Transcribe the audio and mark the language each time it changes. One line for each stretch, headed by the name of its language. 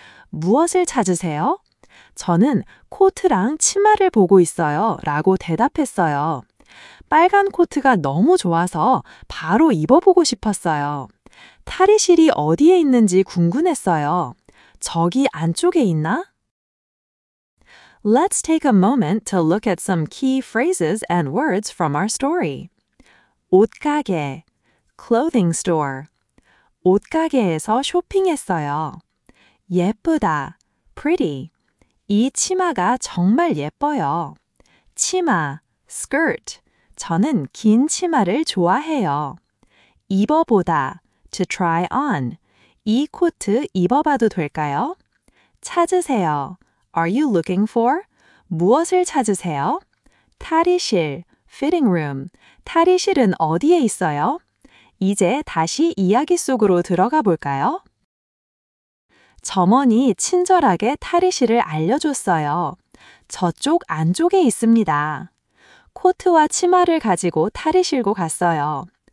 Korean: 무엇을 찾으세요? 저는 코트랑 치마를 보고 있어요. 라고 대답했어요. 빨간 코트가 너무 좋아서 바로 입어보고 싶었어요. 탈의실이 어디에 있는지 궁금했어요. 저기 안쪽에 있나?
English: Let's take a moment to look at some key phrases and words from our story.
Korean: 옷가게,
English: clothing store.
Korean: 옷가게에서 쇼핑했어요. 예쁘다,
English: pretty.
Korean: 이 치마가 정말 예뻐요. 치마,
English: skirt.
Korean: 저는 긴 치마를 좋아해요. 입어보다,
English: to try on.
Korean: 이 코트 입어봐도 될까요? 찾으세요.
English: Are you looking for?
Korean: 무엇을 찾으세요? 탈의실,
English: fitting room.
Korean: 탈의실은 어디에 있어요? 이제 다시 이야기 속으로 들어가 볼까요? 점원이 친절하게 탈의실을 알려줬어요. 저쪽 안쪽에 있습니다. 코트와 치마를 가지고 탈의실로 갔어요.